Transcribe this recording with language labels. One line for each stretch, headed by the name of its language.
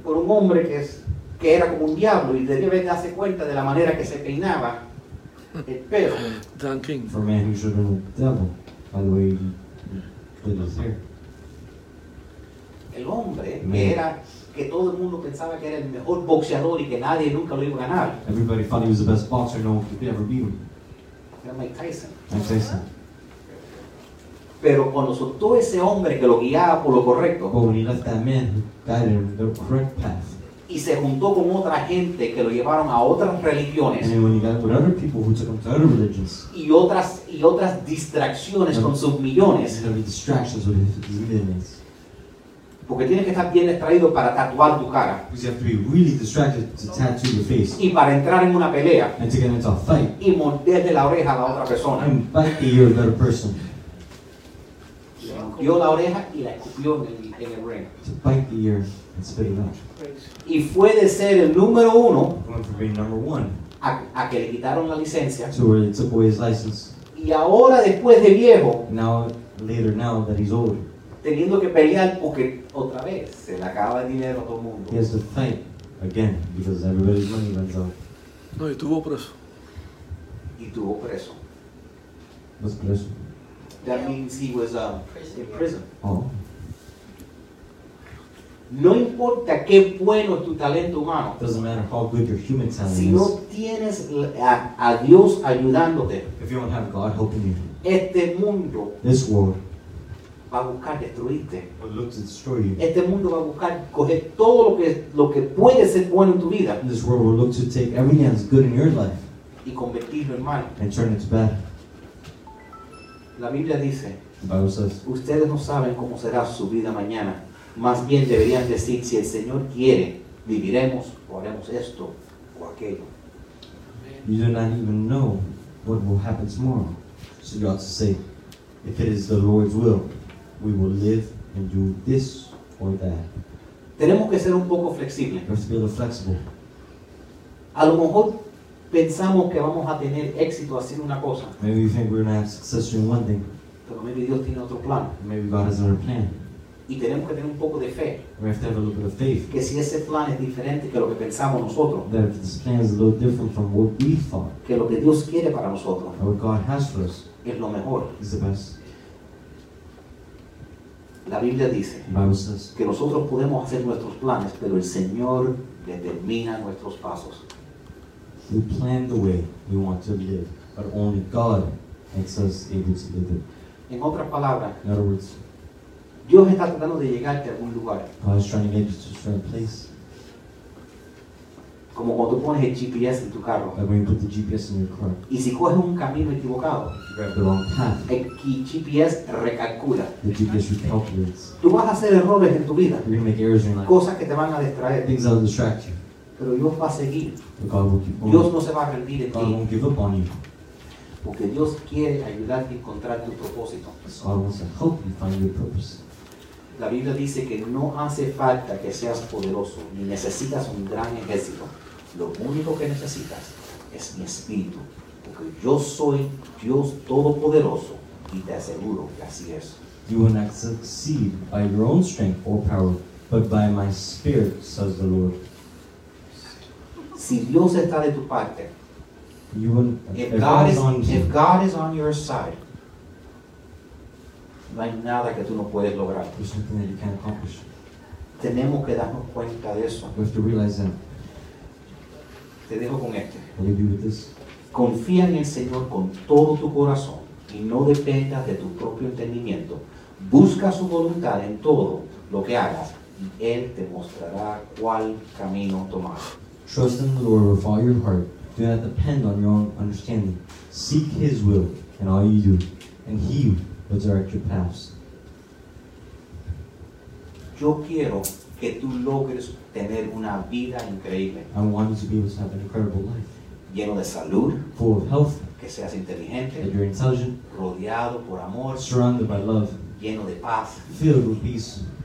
Spanish: Por un hombre que era como un diablo y debía darse cuenta de la manera que se peinaba.
English: Don King. For a man who should have been the devil, by the way, he did his hair.
Spanish: El hombre que era que todo el mundo pensaba que era el mejor boxeador y que nadie nunca lo iba a ganar.
English: Everybody thought he was the best boxer, no one could ever beat him.
Spanish: Era Mike Tyson.
English: Mike Tyson.
Spanish: Pero cuando soltó ese hombre que lo guiaba por lo correcto.
English: But when he left that man who guided him the correct path.
Spanish: Y se juntó con otra gente que lo llevaron a otras religiones.
English: And when he got with other people who took him to other religions.
Spanish: Y otras distracciones con sus millones.
English: And other distractions with his millions.
Spanish: Porque tienes que estar bien distraído para tatuar tu cara.
English: Because you have to be really distracted to tattoo your face.
Spanish: Y para entrar en una pelea.
English: And to get into a fight.
Spanish: Y morderle la oreja a la otra persona.
English: And bite the ear of the other person.
Spanish: Le escupió la oreja y la escupió en el ring.
English: To bite the ear and spit it out.
Spanish: Y fue de ser el número uno.
English: Went from being number one.
Spanish: A que le quitaron la licencia.
English: To where they took away his license.
Spanish: Y ahora después de viejo.
English: Now, later now that he's older.
Spanish: Teniendo que pelear porque otra vez se le acaba el dinero a todo el mundo.
English: He has to fight again because everybody's money runs out.
Spanish: No, y tuvo preso. Y tuvo preso.
English: What's preso? That means he was in prison. Oh.
Spanish: No importa qué bueno tu talento humano.
English: Doesn't matter how good your human talent
Spanish: is. Si no tienes a Dios ayudándote.
English: If you don't have God helping you.
Spanish: Este mundo.
English: This world.
Spanish: Va a buscar destruirte.
English: Will look to destroy you.
Spanish: Este mundo va a buscar coger todo lo que puede ser bueno en tu vida.
English: This world will look to take everything that's good in your life.
Spanish: Y convertirlo en mal.
English: And turn it to bad.
Spanish: La Biblia dice.
English: The Bible says.
Spanish: Ustedes no saben cómo será su vida mañana. Más bien deberían decir, si el Señor quiere, viviremos o haremos esto o aquello.
English: You do not even know what will happen tomorrow. So you ought to say, if it is the Lord's will, we will live and do this or that.
Spanish: Tenemos que ser un poco flexibles.
English: We have to be a little flexible.
Spanish: A lo mejor pensamos que vamos a tener éxito haciendo una cosa.
English: Maybe you think we're going to have success doing one thing.
Spanish: Pero
English: maybe
Spanish: Dios tiene otro plan.
English: Maybe God has another plan.
Spanish: Y tenemos que tener un poco de fe.
English: We have to have a little bit of faith.
Spanish: Que si ese plan es diferente que lo que pensamos nosotros.
English: That if this plan is a little different from what we thought.
Spanish: Que lo que Dios quiere para nosotros.
English: That what God has for us.
Spanish: Es lo mejor.
English: Is the best.
Spanish: La Biblia dice.
English: The Bible says.
Spanish: Que nosotros podemos hacer nuestros planes, pero el Señor determina nuestros pasos.
English: We plan the way we want to live, but only God makes us able to live it.
Spanish: En otras palabras.
English: In other words.
Spanish: Dios está tratando de llegarte a algún lugar.
English: God is trying to get you to a certain place.
Spanish: Como cuando tú pones el GPS en tu carro.
English: Like when you put the GPS in your car.
Spanish: Y si coges un camino equivocado.
English: You grab the wrong path.
Spanish: El GPS recalcula.
English: The GPS recalculates.
Spanish: Tú vas a hacer errores en tu vida.
English: You're going to make errors in your life.
Spanish: Cosas que te van a distraer.
English: Things that will distract you.
Spanish: Pero Dios va a seguir.
English: But God will keep on.
Spanish: Dios no se va a rendir en
English: God
Spanish: ti.
English: God won't give up on you.
Spanish: Porque Dios quiere ayudarte a encontrar tu propósito.
English: So God wants to help you find your purpose.
Spanish: La Biblia dice que no hace falta que seas poderoso, ni necesitas un gran ejército. Lo único que necesitas es mi espíritu, porque yo soy Dios todopoderoso y te aseguro que así es.
English: You will not succeed by your own strength or power, but by my spirit, says the Lord.
Spanish: Si Dios está de tu parte,
English: you will, if God is on your side,
Spanish: no hay nada que tú no puedes lograr.
English: There's nothing that you can't accomplish.
Spanish: Tenemos que darnos cuenta de eso.
English: We have to realize that.
Spanish: Te dejo con este.
English: What do you do with this?
Spanish: Confía en el Señor con todo tu corazón y no dependas de tu propio entendimiento. Busca su voluntad en todo lo que hagas y Él te mostrará cuál camino tomar.
English: Trust in the Lord with all your heart. Do not depend on your own understanding. Seek His will in all you do, and He will direct your paths.
Spanish: Yo quiero que tú logres tener una vida increíble.
English: I want you to be able to have an incredible life.
Spanish: Lleno de salud.
English: Full of health.
Spanish: Que seas inteligente.
English: That you're intelligent.
Spanish: Rodeado por amor.
English: Surrounded by love.
Spanish: Lleno de paz.
English: Filled with peace.